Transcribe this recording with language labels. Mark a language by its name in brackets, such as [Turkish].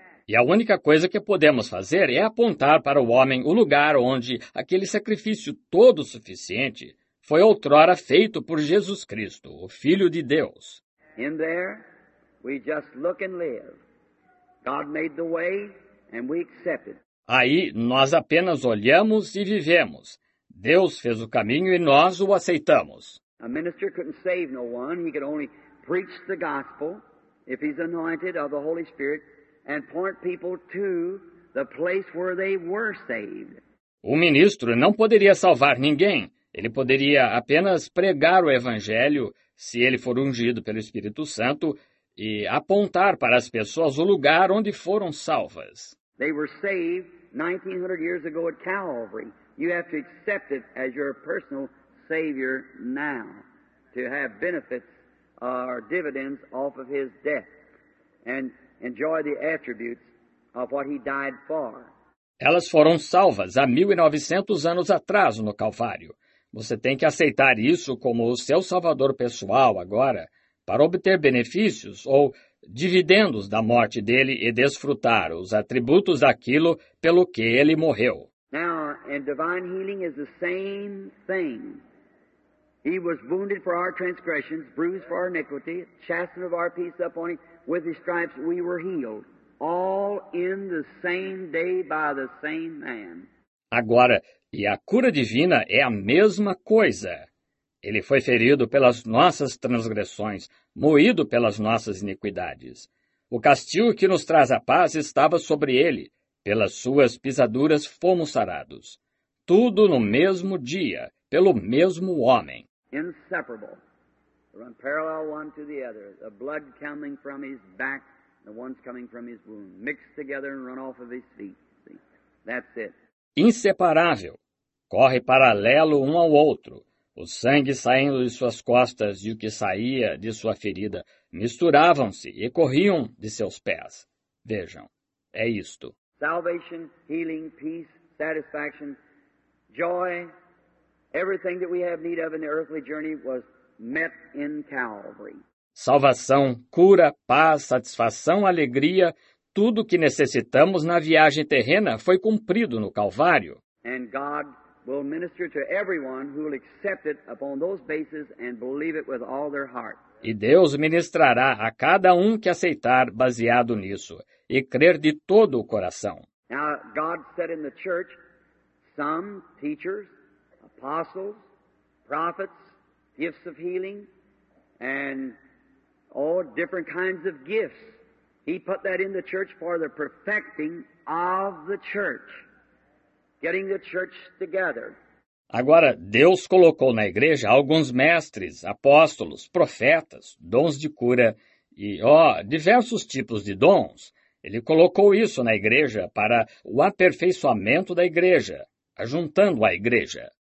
[Portuguese] E a única coisa que podemos fazer é apontar para o homem o lugar onde aquele sacrifício todo suficiente foi outrora feito por Jesus Cristo, o Filho de Deus. [English] In there, we just look and live. God made the way and we accept it. [Portuguese] Aí nós apenas olhamos e vivemos. Deus fez o caminho e nós o aceitamos. [English] A minister couldn't save no one. He could only preach the gospel if he's anointed of the Holy Spirit and point people to the place where they were saved. [Portuguese] O ministro não poderia salvar ninguém. Ele poderia apenas pregar o evangelho se ele for ungido pelo Espírito Santo e apontar para as pessoas o lugar onde foram salvas. [English] They were saved 1900 years ago at Calvary. You have to accept it as your personal savior now to have benefits or dividends off of his death and enjoy the attributes of what he died for. [Portuguese] Elas foram salvas há 1900 anos atrás no Calvário. Você tem que aceitar isso como o seu salvador pessoal agora para obter benefícios ou dividendos da morte dele e desfrutar os atributos daquilo pelo que ele morreu. [English] Now, and divine healing is the same thing. He was wounded for our transgressions, bruised for our iniquity, chastened of our peace upon him. With his stripes we were healed. All in the same day by the same man. [Portuguese] Agora, e a cura divina é a mesma coisa. Ele foi ferido pelas nossas transgressões, moído pelas nossas iniquidades. O castigo que nos traz a paz estava sobre ele. Pelas suas pisaduras fomos sarados. Tudo no mesmo dia, pelo mesmo homem. [English] Inseparable. Run parallel one to the other. The blood coming from his back, the ones coming from his wound. Mixed together and run off of his feet. See? That's it. [Portuguese] Inseparável. Corre paralelo um ao outro. O sangue saindo de suas costas e o que saía de sua ferida misturavam-se e corriam de seus pés. Vejam, é isto. [English] Salvation, healing, peace, satisfaction, joy, Everything that we have need of in the earthly journey was met in Calvary. [Portuguese] Salvação, cura, paz, satisfação, alegria, tudo que necessitamos na viagem terrena foi cumprido no Calvário. [English] And God will minister to everyone who will accept it upon those bases and believe it with all their heart. [Portuguese] E Deus ministrará a cada um que aceitar baseado nisso e crer de todo o coração. [English] Now, God said in the church, some teachers, apostles, prophets, gifts of healing, and all different kinds of gifts. He put that in the church for the perfecting of the church, getting the church together. [Portuguese] Agora, Deus colocou na igreja alguns mestres, apóstolos, profetas, dons de cura e, diversos tipos de dons. Ele colocou isso na igreja para o aperfeiçoamento da igreja, ajuntando a igreja.